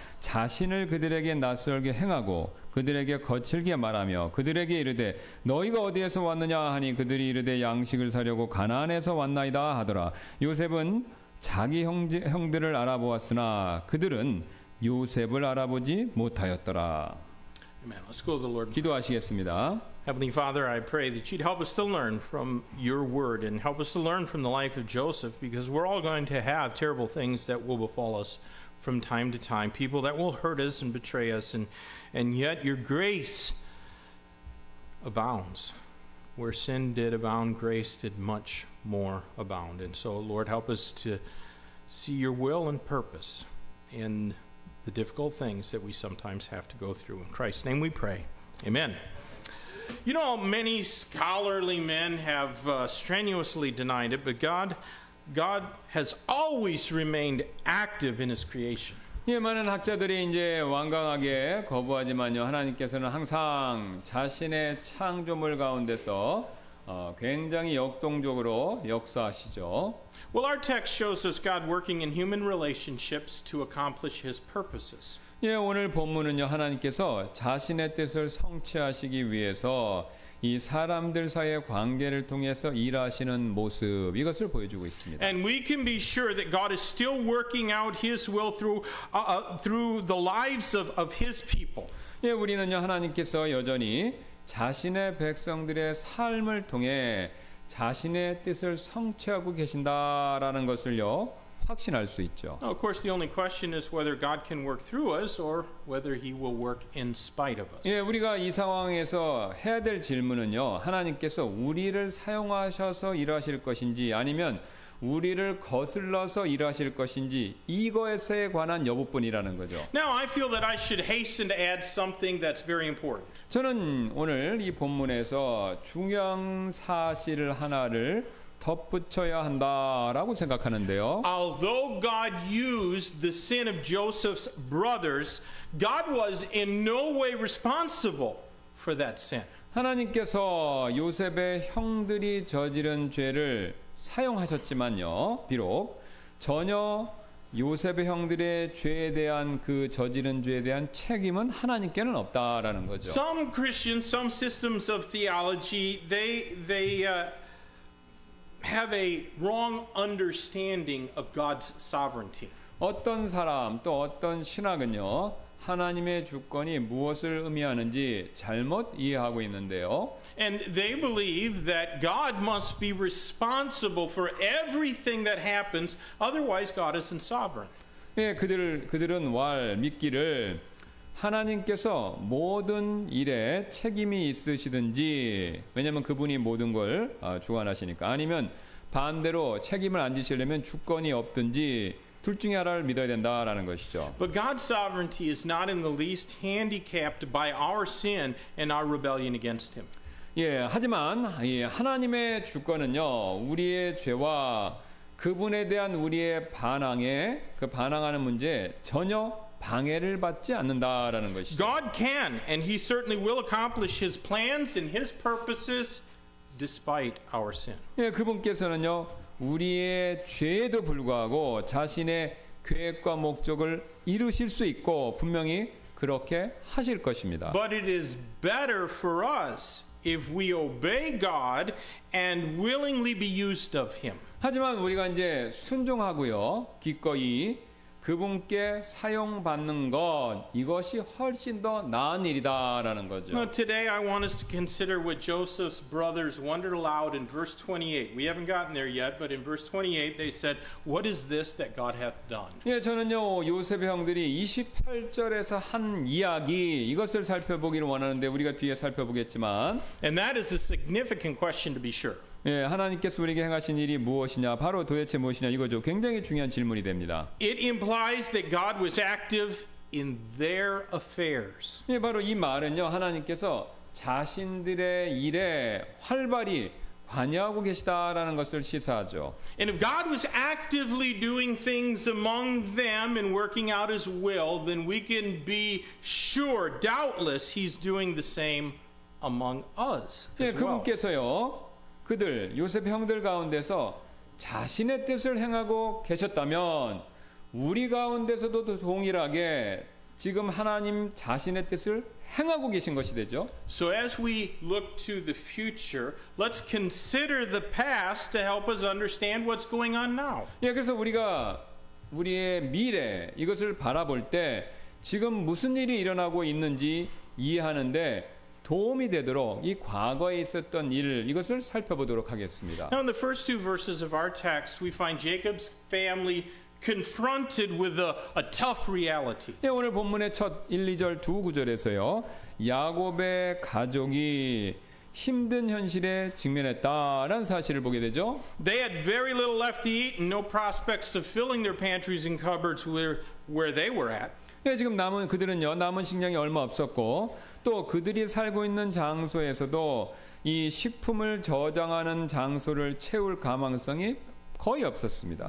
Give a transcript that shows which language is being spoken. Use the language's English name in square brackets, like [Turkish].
[Korean] 자신을 그들에게 낯설게 행하고 그들에게 거칠게 말하며 그들에게 이르되 너희가 어디에서 왔느냐 하니 그들이 이르되 양식을 사려고 가나안에서 왔나이다 하더라 요셉은 자기 형들을 알아보았으나 그들은 요셉을 알아보지 못하였더라 [English] Amen. Let's go to the Lord. [Korean] 기도하시겠습니다 [English] Heavenly Father, I pray that you'd help us to learn from your word and help us to learn from the life of Joseph because we're all going to have terrible things that will befall us from time to time, people that will hurt us and betray us, and yet your grace abounds. Where sin did abound, grace did much more abound. And so, Lord, help us to see your will and purpose in the difficult things that we sometimes have to go through. In Christ's name we pray. Amen. You know, many scholarly men have strenuously denied it, but God has always remained active in his creation. [Korean] 예, 많은 학자들이 이제 완강하게 거부하지만요, 하나님께서는 항상 자신의 창조물 가운데서 굉장히 역동적으로 역사하시죠. [English] Well, our text shows us God working in human relationships to accomplish his purposes. [Korean] 예, 오늘 본문은요, 하나님께서 자신의 뜻을 성취하시기 위해서 이 사람들 사이의 관계를 통해서 일하시는 모습, 이것을 보여주고 있습니다. [English] And we can be sure that God is still working out his will through through the lives of his people. [Korean] 예, 우리는요, 하나님께서 여전히 자신의 백성들의 삶을 통해 자신의 뜻을 성취하고 계신다라는 것을요, 확신할 수 있죠. [English] Of course, the only question is whether God can work through us or whether he will work in spite of us. [Korean] 예, 우리가 이 상황에서 해야 될 질문은요, 하나님께서 우리를 사용하셔서 일하실 것인지 아니면 우리를 거슬러서 일하실 것인지, 이것에 관한 여부뿐이라는 거죠. [English] Now I feel that I should hasten to add something that's very important. [Korean] 저는 오늘 이 본문에서 중요한 사실을 하나를 덧붙여야 한다라고 생각하는데요. [English] Although God used the sin of Joseph's brothers, God was in no way responsible for that sin. [Korean] 하나님께서 요셉의 형들이 저지른 죄를 사용하셨지만요, 비록 전혀 요셉의 형들의 죄에 대한 그 저지른 죄에 대한 책임은 하나님께는 없다라는 거죠. [English] Some Christians, some systems of theology, they have a wrong understanding of God's sovereignty. [Korean] 어떤 사람 또 어떤 신학은요, 하나님의 주권이 무엇을 의미하는지 잘못 이해하고 있는데요. [English] And they believe that God must be responsible for everything that happens, otherwise God isn't sovereign. [Korean] 예, 그들은 왈 믿기를 하나님께서 모든 일에 책임이 있으시든지, 왜냐하면 그분이 모든 걸 주관하시니까, 아니면 반대로 책임을 안 지시려면 주권이 없든지, 둘 중에 하나를 믿어야 된다라는 것이죠. [English] But God's sovereignty is not in the least handicapped by our sin and our rebellion against him. [Korean] 예, 하지만 예, 하나님의 주권은요, 우리의 죄와 그분에 대한 우리의 반항에, 그 반항하는 문제에 전혀 방해를 받지 않는다라는 것이죠. [English] God can and he certainly will accomplish his plans and his purposes despite our sin. [Korean] 예, 그분께서는요, 우리의 죄에도 불구하고 자신의 계획과 목적을 이루실 수 있고 분명히 그렇게 하실 것입니다. [English] But it is better for us if we obey God and willingly be used of him. [Korean] 하지만 우리가 이제 순종하고요, 기꺼이 그분께 사용받는 것, 이것이 훨씬 더 나은 일이다라는 거죠. [English] Now today I want us to consider what Joseph's brothers wondered aloud in verse 28. We haven't gotten there yet, but in verse 28 they said, "What is this that God hath done?" [Korean] 예, 저는요, 요셉 형들이 28절에서 한 이야기, 이것을 살펴보기를 원하는데 우리가 뒤에 살펴보겠지만. [English] And that is a significant question to be sure. [Korean] 예, 하나님께서 우리에게 행하신 일이 무엇이냐, 바로 도대체 무엇이냐, 이거죠. 굉장히 중요한 질문이 됩니다. [English] It implies that God was active in their affairs. [Korean] 예, 바로 이 말은요, 하나님께서 자신들의 일에 활발히 관여하고 계시다라는 것을 시사하죠. [English] And if God was actively doing things among them and working out his will, then we can be sure, doubtless, he's doing the same among us as well. [Korean] 예, 그분께서요, 그들 요셉 형들 가운데서 자신의 뜻을 행하고 계셨다면 우리 가운데서도 동일하게 지금 하나님 자신의 뜻을 행하고 계신 것이 되죠. [English] So as we look to the future, let's consider the past to help us understand what's going on now. [Korean] 예, 그래서 우리가 우리의 미래 이것을 바라볼 때 지금 무슨 일이 일어나고 있는지 이해하는데 도움이 되도록 이 과거에 있었던 일 이것을 살펴보도록 하겠습니다. [English] Now in the first two verses of our text, we find Jacob's family confronted with a tough reality. [Korean] 예, 오늘 본문의 첫 1, 2절 두 구절에서요, 야곱의 가족이 힘든 현실에 직면했다라는 사실을 보게 되죠. [English] They had very little left to eat and no prospects of filling their pantries and cupboards where they were at. [Korean] 예, 지금 남은 그들은요 남은 식량이 얼마 없었고 또 그들이 살고 있는 장소에서도 이 식품을 저장하는 장소를 채울 가망성이 거의 없었습니다.